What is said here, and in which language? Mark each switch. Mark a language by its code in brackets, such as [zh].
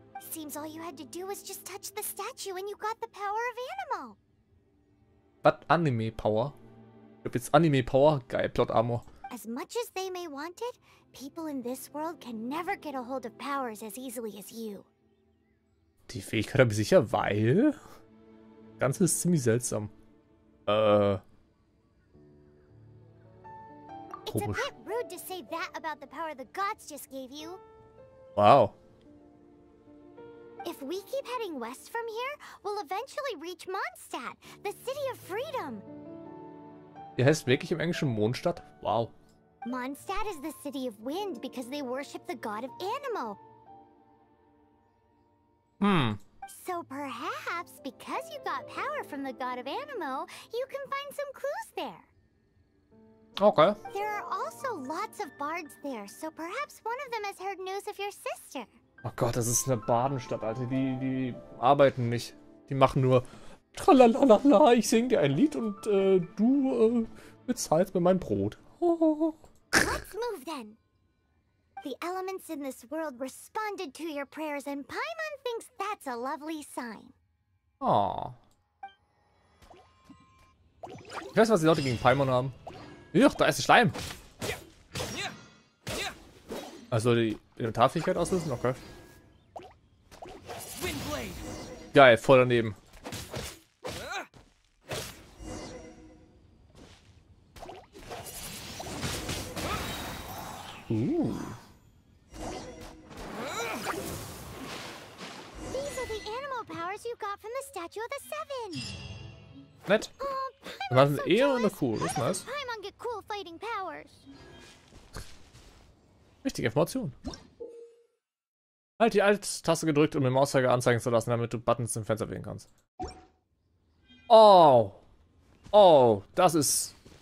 [en] Seems all you had to do was just touch the statue and you got the power of animal. But anime power? If it's anime power, geil, plot armor. As much as they may want it, people in this world can never get a hold of powers as easily as you. [de] Die Fähigkeit habe ich sicher, weil das Ganze ist ziemlich seltsam. Komisch. [en] It's a bit rude to say that about the power the gods just gave you. Wow. If we keep heading west from here, we'll eventually reach Mondstadt, the city of freedom. [de] Ihr heißt wirklich im Englischen Mondstadt? Wow. [en] Mondstadt is the city of wind because they worship the god of animal. Hm. So perhaps because you got power from the god of animal, you can find some clues there. Okay. There are also lots of bards there, so perhaps one of them has heard news of your sister. [de] Oh Gott, das ist eine Badenstadt, Alter. Die arbeiten nicht. Die machen nur tralalala, ich sing dir ein Lied und du bezahlst mir mein Brot. [en] Oh. Let's move then. The elements in this world responded to your prayers and Paimon thinks that's a lovely sign. Oh. [de] Ich weiß, was die Leute gegen Paimon haben. Juch, da ist der Schleim. Also die Elementarfähigkeit auslösen? Okay. Geil, voll daneben. [en] These are the animal powers you got from the Statue of the Seven. [de] Nett. Das war eine Ehre und eine Kuh, das ist nice. [en] Paimon get cool fighting powers. [de] Richtige Information. Halt die Alt-Taste gedrückt, um den Mauszeiger anzeigen zu lassen, damit du Buttons im Fenster wählen kannst. Oh. Oh, das ist